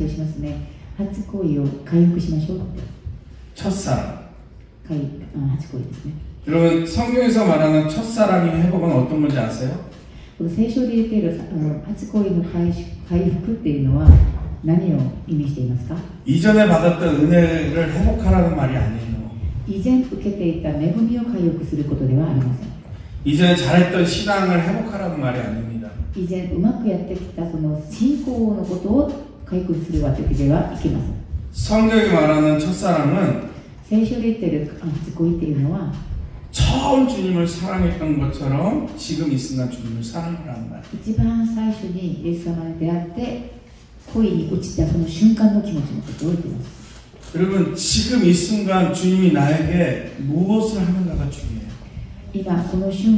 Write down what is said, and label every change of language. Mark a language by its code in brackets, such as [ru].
[ja] 私たちがたまに教会でこういう話をしますね。初恋を回復しましょう。 [ko] 첫사랑. [ja] 初恋ですね。 [ko] 여러분 성경에서 말하는 첫사랑의 회복은 어떤 건지 아세요? [ja] 聖書で言っている初恋の回復っていうのは 何を意味していますか? [ko] 이전에 받았던 은혜를 회복하라는 말이 아니에요. [ja] 以前受けていた恵みを回復することではありません。 [ko] 이전에 잘했던 신앙을 회복하라는 말이 아닙니다. [ja] 以前うまくやってきたその信仰のことを回復するわけではいけません。 [ko] 성경이 말하는 첫사랑은 [ja] 聖書で言っている初恋っていうのは [ko] 처음 주님을 사랑했던 것처럼 지금 이 순간 주님을 사랑하라는 말이에요. [ja] 一番最初にイエス様に出会って 恋に落ちたその瞬間の気持ちのことを言っています。 [ko] 여러분 지금 이 순간 주님이 나에게 무엇을 하는가가 중요해요.